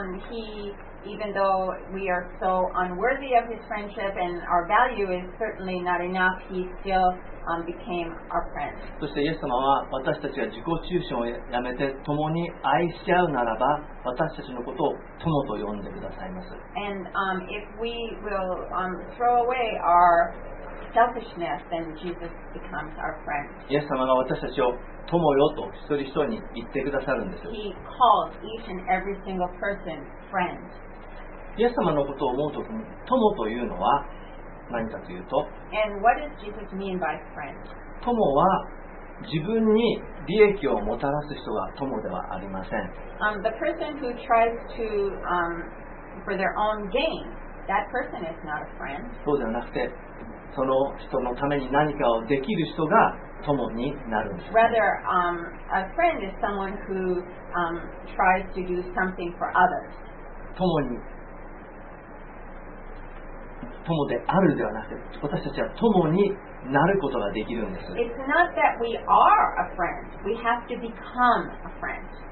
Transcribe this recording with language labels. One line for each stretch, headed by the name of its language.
English: He, even though we are so unworthy of his friendship and our value is certainly not enough, he still became our friend.
Japanese: そしてイエス様は私たちが自己中心をやめて共に愛し合うならば私たちのことを友と呼んでくださいます。
English: And if we will throw away our selfishness, then Jesus becomes our friend.
Japanese: イエス様が私たちを友よと一人一人に言ってくださるんですよ。
English: He calls each and every single person friend.
Japanese: イエス様のことを思うときに友というのは何かというと、
English: And what does Jesus mean by friend?
Japanese: 友は自分に利益をもたらす人が友ではありません。
English: The person who tries to, for their own gain, that person is not a friend.
Japanese: そうじゃなくて、その人のために何かをできる人が友になるんです。
English: Rather, a friend is someone who, tries to do something for others.
Japanese: 友であるではなくて、私たちは友になることができるんです。
English: It's not that we are a friend. We have to become a friend.